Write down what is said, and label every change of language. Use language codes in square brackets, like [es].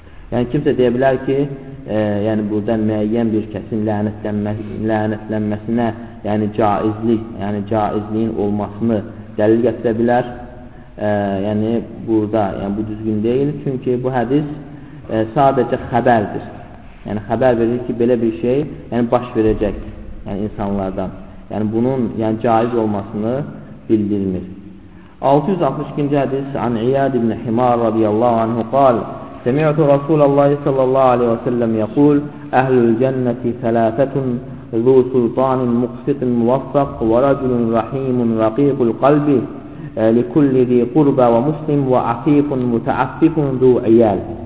[az] Yani kimse deyebilər ki, yani buradan müəyyən bir kəsin lənətlənməsinə yani caizlik, yani caizliyin olmasını dəlil gətirə bilər. Yani burada, yani bu düzgün deyil. Çünki bu hədis sadəcə xəbərdir. Yani xəbər verir ki, belə bir şey yani baş verəcək yani insanlardan. Yani bunun yani caiz olmasını bildirmir. 662-ci hədis [ar] An İyad ibn Himar radiyallahu anhu qal سمعت رسول الله صلى الله عليه وسلم يقول أهل الجنة ثلاثة ذو سلطان مقسط موفق ورجل رحيم رقيق القلب لكل ذي قربى ومسلم وعفيف متعفف ذو عيال